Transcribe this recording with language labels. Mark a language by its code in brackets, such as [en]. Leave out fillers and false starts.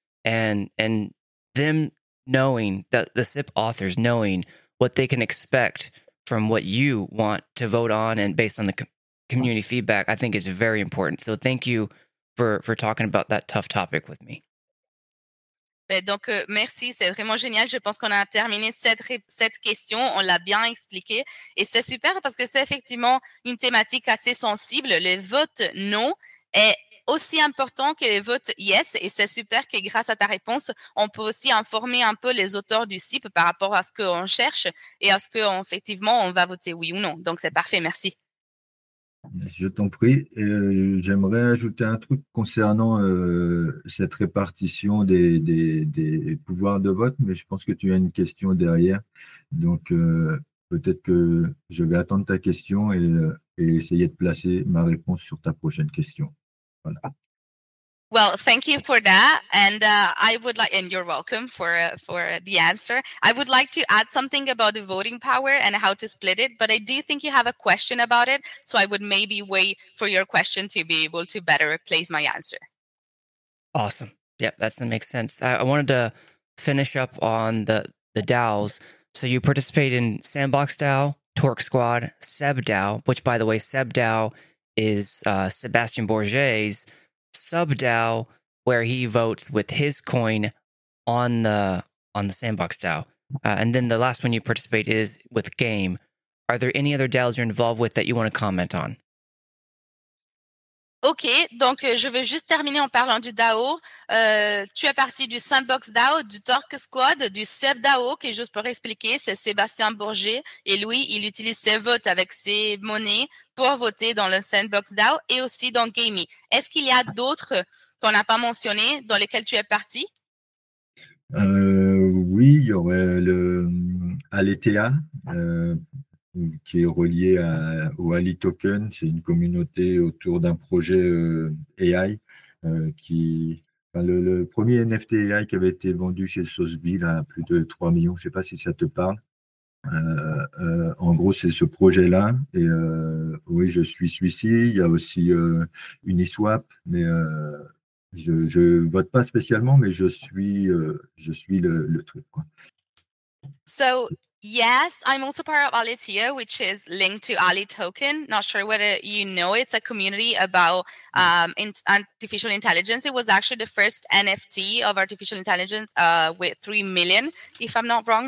[en] And them knowing, that the SIP authors knowing what they can expect from what you want to vote on and based on the community feedback, I think is very important. So thank you for talking about that tough topic with me. [fr] Donc, merci, c'est vraiment génial. Je pense qu'on a terminé cette question, on l'a bien expliqué. Et c'est super parce que c'est effectivement une thématique assez sensible. Le vote non est aussi important que le vote yes. Et c'est super que grâce à ta réponse, on peut aussi informer un peu les auteurs du CIP par rapport à ce qu'on cherche et à ce qu'effectivement, on va voter oui ou non. Donc, c'est parfait, merci. Je t'en prie. J'aimerais ajouter un truc concernant cette répartition des pouvoirs de vote, mais je pense que tu as une question derrière. Donc, peut-être que je vais attendre ta question et essayer de placer ma réponse sur ta prochaine question. Voilà. [en] Well, thank you for that, and I would like, and you're welcome for the answer. I would like to add something about the voting power and how to split it, but I do think you have a question about it, so I would maybe wait for your question to be able to better replace my answer. Awesome. Yeah, that makes sense. I wanted to finish up on the DAOs. So you participate in Sandbox DAO, Torque Squad, Seb DAO, which, by the way, Seb DAO is Sebastian Bourget's Sub DAO, where he votes with his coin on the Sandbox DAO. And then the last one you participate is with Game. Are there any other DAOs you're involved with that you want to comment on? [fr] OK, donc je vais juste terminer en parlant du DAO. Tu es parti du Sandbox DAO, du Torque Squad, du Seb DAO, qui, juste pour expliquer, c'est Sébastien Bourget. Et lui, il utilise ses votes avec ses monnaies pour voter dans le Sandbox DAO et aussi dans Gamey. Est-ce qu'il y a d'autres qu'on n'a pas mentionnés dans lesquels tu es parti? Oui, il y aurait le Aletea, qui est relié au Ali Token. C'est une communauté autour d'un projet AI. Le premier NFT AI qui avait été vendu chez Sotheby à plus de 3 millions, je ne sais pas si ça te parle. En gros, c'est ce projet-là. Et oui, je suis celui-ci. Il y a aussi Uniswap, mais je vote pas spécialement, mais je suis le truc, quoi. [en] So yes, I'm also part of Alitia, which is linked to AliToken. Not sure whether you know, it's a community about artificial intelligence. It was actually the first NFT of artificial intelligence with 3 million, if I'm not wrong.